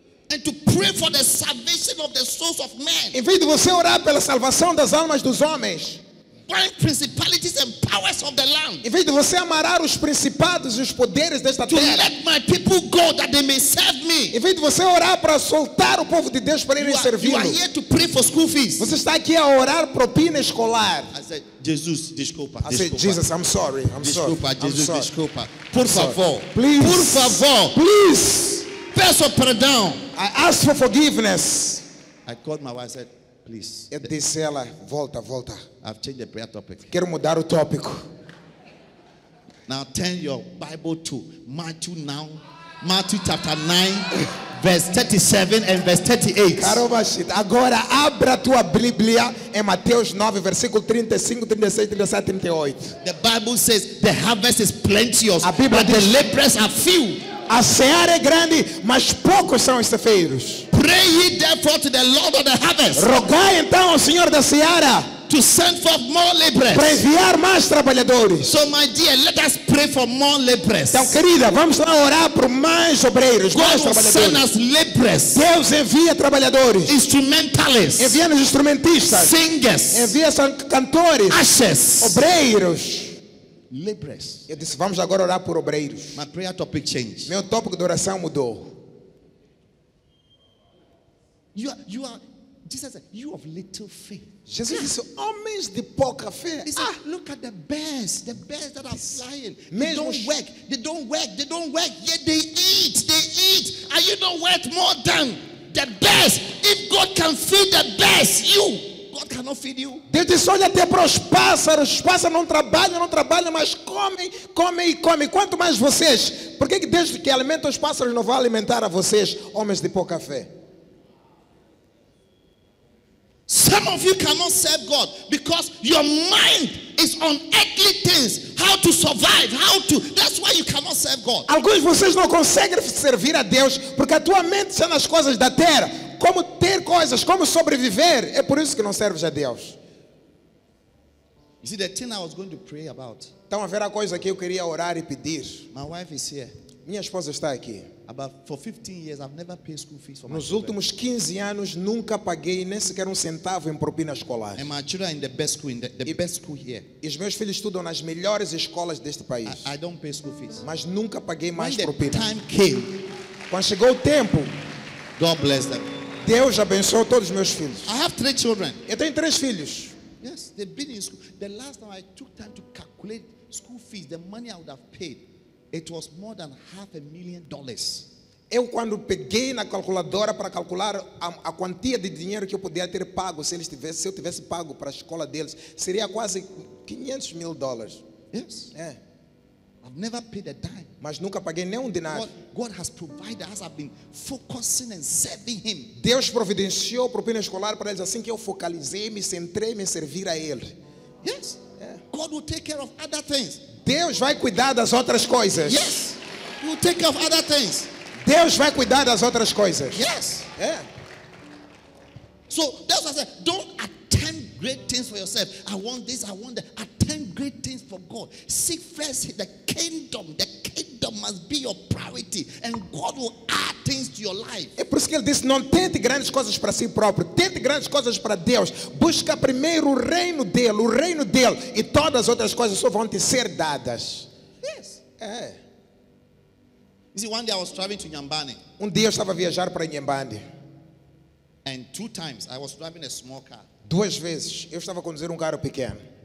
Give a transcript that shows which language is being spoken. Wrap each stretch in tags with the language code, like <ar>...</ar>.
<en>And to pray for the salvation of the souls of men.</en> <pt>Em vez de você orar pela salvação das almas dos homens.</pt> <en>Bind principalities and powers of the land. ground.</en> <pt>Em vez de você amarrar os principados e os poderes desta</pt> <en>to</en> <pt>terra.</pt> <en>To let my people go that they may serve me.</en> <pt>Em vez de você orar para soltar o povo de Deus para ele servir.</pt> <en>You are here to pray for school fees.</en> <pt>Você está aqui a orar propina escolar. Jesus, desculpa.</pt> <en>I said, Jesus, I'm sorry. I'm</en> <pt>desculpa,</pt> <en>sorry. Jesus, I'm sorry.</en> <pt>Desculpa. Por favor.</pt> <en>Please.</en> <pt>Por favor.</pt> <en>Please.</en> <pt>Peço perdão.</pt> <en>I ask for forgiveness. I called my wife. I said, please.</en> <pt>Eu disse ela, volta, volta.</pt> <en>I've changed the prayer topic.</en> <pt>Quero mudar o tópico.</pt> <en>Now turn your Bible to Matthew now. Matthew chapter 9, verse 37 and verse 38.</en> <pt>Caramba, shit. Agora abra tua Bíblia em Mateus 9, versículo 35, 36, 37, 38.</pt> <en>The Bible says the harvest is plenteous, but the laborers are few.</en> <pt>A seara é grande, mas poucos são os ceifeiros.</pt> <en>Pray ye therefore to the Lord of the harvest.</en> <pt>Rogai então ao Senhor da seara.</pt> <en>To send forth more laborers.</en> <pt>Para enviar mais trabalhadores.</pt> <en>So my dear, let us pray for more laborers.</en> <pt>Então, querida, vamos lá orar por mais obreiros,</pt> <en>God</en> <pt>mais trabalhadores.</pt> <en>Send us laborers.</en> <pt>Deus envia trabalhadores.</pt> <en>Instrumentalists.</en> <pt>Envia nos instrumentistas.</pt> <en>Singers.</en> <pt>Envia cantores.</pt> <en>Ushers.</en> <pt>Obreiros.</pt> <en>Laborers.</en> <pt>Eu disse, vamos agora orar por obreiros.</pt> <en>My prayer topic changed.</en> <pt>Meu tópico de oração mudou.</pt> <en>You are. Jesus said, you of little faith.</en> <pt>Jesus disse, homens de pouca fé.</pt> <en>He said, look at the birds that are flying. They don't work, yet they eat. Are you not worth more than the birds? If God can feed the birds, you, God cannot feed you.</en> <pt>Deus disse, olha até para os pássaros não trabalham, mas comem. Quanto mais vocês, por que Deus que alimenta os pássaros não vai alimentar a vocês, homens de pouca fé?</pt> <en>Some of you cannot serve God because your mind is on earthly things. How to survive? That's why you cannot serve God.</en> <pt>Alguns de vocês não conseguem servir a Deus porque a tua mente está nas coisas da terra. Como ter coisas, como sobreviver. É por isso que não serves a Deus.</pt> <en>You see, the thing I was going to pray about.</en> <pt>Então, a ver a coisa que eu queria orar e pedir.</pt> <en>My wife is here.</en> <pt>Minha esposa está aqui.</pt> <en>About for 15 years, I've never paid school fees for</en> <pt>my Nos últimos 15 anos, nunca paguei nem sequer um centavo em propina escolar.</pt> <en>And my children are in the best school, in the best school here.</en> <pt>E os meus filhos estudam nas melhores escolas deste país.</pt> <en>I don't pay school fees.</en> <pt>Mas nunca paguei</pt> <en>when</en> <pt>mais</pt> <en>the</en> <pt>propina.</pt> <en>Time came,</en> <pt>quando chegou o tempo,</pt> <en>God bless them.</en> <pt>Deus abençoou todos os meus filhos.</pt> <en>I have three children. Eu tenho três filhos. Yes, they've been in school. The last time I took time to calculate school fees, the money I would have paid. It was more than $500,000.</en> <pt>Eu quando peguei na calculadora para calcular a quantia de dinheiro que eu podia ter pago se eu tivesse pago para a escola deles, seria quase $500,000.</pt> <en>Yes.</en> <pt>É.</pt> <en>I've never paid a dime.</en> <pt>Mas nunca paguei nem um dinário.</pt> <en>God has provided us. I've been focusing and serving Him.</en> <pt>Deus providenciou propina escolar para eles assim que eu focalizei, me centrei, me servir a Ele.</pt> <en>Yes.</en> <pt>É.</pt> <en>God will take care of other things.</en> <pt>Deus vai cuidar das outras coisas.</pt> <en>Yes. We'll take care of other things.</en> <pt>Deus vai cuidar das outras coisas.</pt> <en>Yes. Yeah. So that's what I said. Don't attempt great things for yourself. I want this. I want that. Attempt great things for God. Seek first the kingdom. The kingdom must be your priority, and God will add things to your life.</en> <pt>É por isso que ele disse: não tente grandes coisas para si próprio. Tente grandes coisas para Deus. Busca primeiro o reino dele, e todas as outras coisas só vão te ser dadas.</pt> <en>Yes.</en> <pt>É.</pt> <en>You see, one day I was traveling to Nyambane.</en> <pt>Um dia eu estava a viajar para Nyambane.</pt> <en>And two times I was driving a small car.</en> <pt>Duas vezes eu estava a conduzir carro pequeno.</pt>